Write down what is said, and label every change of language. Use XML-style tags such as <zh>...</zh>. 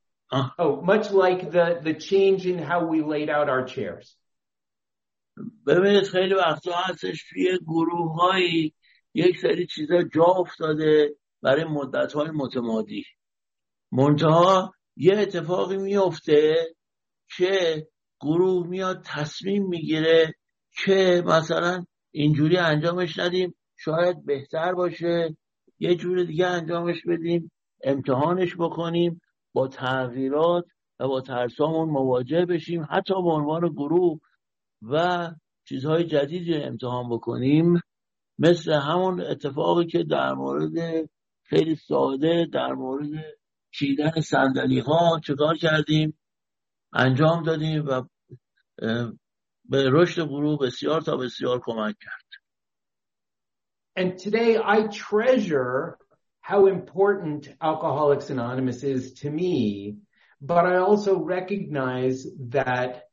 <en>Much like the change in how we laid out our chairs.</en> <fa>ببینید خیلی وقتا هستش توی گروه هایی یک سری چیزا جا افتاده برای مدت های متمادی، منتها یه اتفاقی میفته که گروه میاد تصمیم میگیره که مثلا اینجوری انجامش ندیم، شاید بهتر باشه یه جور دیگه انجامش بدیم، امتحانش بکنیم، با تغییرات و با ترسامون مواجه بشیم حتی به عنوان گروه و چیزهای جدیدی رو امتحان بکنیم. مثل همون اتفاقی که در مورد خیلی ساده در مورد چیدن صندلی ها چکار کردیم انجام دادیم و به رشد گروه بسیار تا بسیار کمک کرد.</fa> <en>And today I treasure how important Alcoholics Anonymous is to me, but I also recognize that</en>